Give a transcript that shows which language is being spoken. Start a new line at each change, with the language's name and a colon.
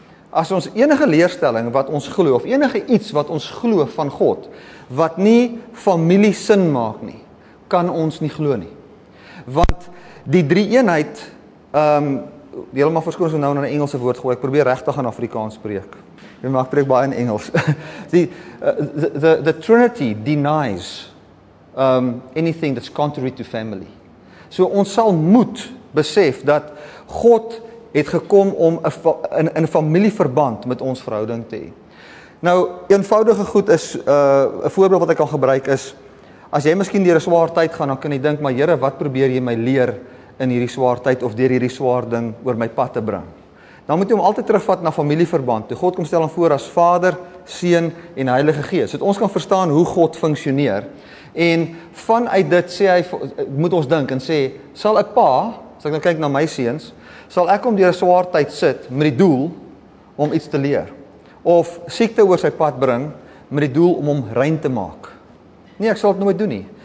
Afrikaans: As ons enige leerstelling wat ons glo, of enige iets wat ons glo van God, wat nie familie sin maak nie, kan ons nie glo nie. Want die drie-eenheid, helemaal verskoon, so nou na 'n Engelse woord gooi, ek probeer regtig in Afrikaans spreek. Maar ek spreek baie in Engels.
English: The Trinity denies anything that's contrary to family.
Afrikaans: So ons sal moet besef dat God het gekom om in familieverband met ons verhouding te hê. Nou, eenvoudige goed is, 'n voorbeeld wat ek kan gebruik is, as jy miskien deur 'n swaar tyd gaan, dan kan jy dink, maar Here, wat probeer jy my leer in hierdie swaar tyd of deur hierdie swaar ding oor my pad te bring? Dan moet jy hom altyd terugvat na familieverband. Toe God kom stel hom voor as Vader, Seun en Heilige Gees. Dat ons kan verstaan hoe God funksioneer. En vanuit dit sê hy, moet ons dink en sê, sal ek pa, as ek nou kyk na my seuns, sal ek om deur 'n swaar tyd sit met die doel om iets te leer? Of siekte oor sy pad bring met die doel om hom rein te maak? Nee, ek sal dit nooit doen nie.